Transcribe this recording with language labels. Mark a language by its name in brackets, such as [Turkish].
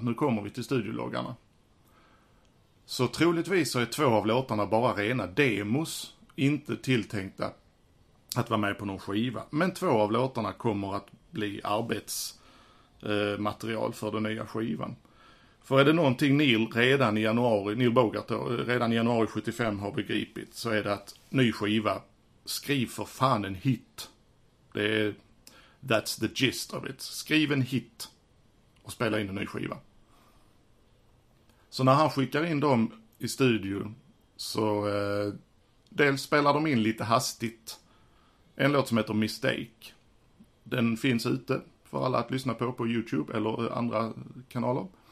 [Swedish] Nu kommer vi till studiologgarna. Så troligtvis så är två av låtarna bara rena demos, inte tilltänkta att vara med på någon skiva. Men två av låtarna kommer att bli arbetsmaterial för den nya skivan. För är det någonting Neil Bogart redan i januari 75 har begripit, så är det att ny skiva, skriv för fan en hit. Det är, [English] that's the gist of it. [Swedish] Skriv en hit och spela in en ny skiva. Så när han skickar in dem i studio så dels spelar de in lite hastigt en låt som heter Mistake. Den finns ute för alla att lyssna på YouTube eller andra kanaler.